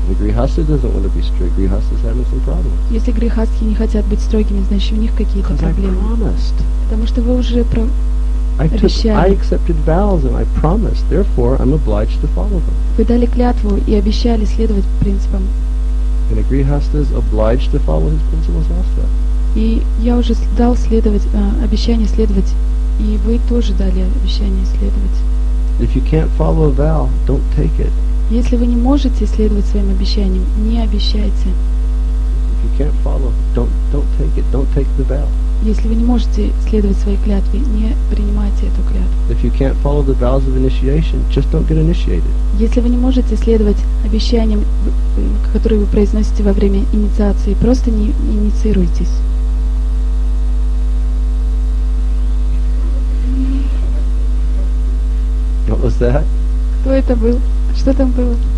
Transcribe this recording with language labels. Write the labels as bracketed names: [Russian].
[English] Grihastha doesn't want to be strict. Grihastha's having some problems. [Russian] Если грихастхи не хотят быть строгими, значит у них какие-то проблемы. Потому что вы уже обещали. [English] I accepted vows and I promised. Therefore, I'm obliged to follow them. [Russian] Вы дали клятву и обещали следовать принципам. [English] And a grihastha is obliged to follow his principles also. [Russian] И я уже дал обещание следовать. И вы тоже дали обещание следовать. [English] If you can't follow a vow, don't take it. [Russian] Если вы не можете следовать своим обещаниям, не обещайте. [English] If you can't follow, don't take it. Don't take the vow. [Russian] Если вы не можете следовать своей клятве, не принимайте эту клятву. [English] If you can't follow the vows of initiation, just don't get initiated. [Russian] Если вы не можете следовать обещаниям, которые вы произносите во время инициации, просто не инициируйтесь. [English] What was that? [Russian] Кто это был? Что там было?